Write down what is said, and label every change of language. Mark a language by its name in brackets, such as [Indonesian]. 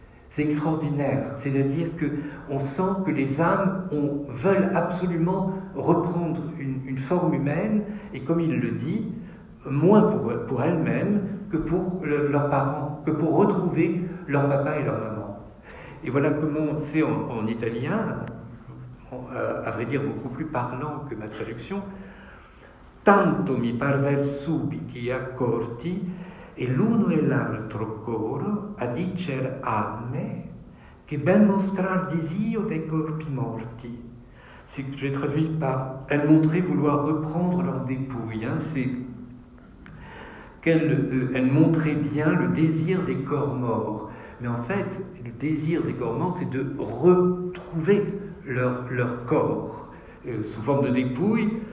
[French] C'est extraordinaire, c'est-à-dire qu'on sent que les âmes veulent absolument reprendre une forme humaine, et comme il le dit, moins pour elles-mêmes que pour leurs parents, que pour retrouver leur papa et leur maman. Et voilà comment c'est en italien, à vrai dire beaucoup plus parlant que ma traduction. [Italian] Tanto mi parver subiti accorti, e l'uno e l'altro coro a dicer a me che ben mostrar disio dei corpi morti. [French] C'est que j'ai traduit par « Elles montraient vouloir reprendre leur dépouille hein, ». C'est qu'elles montraient bien le désir des corps morts. Mais en fait, le désir des corps morts, c'est de retrouver leur corps sous forme de dépouille.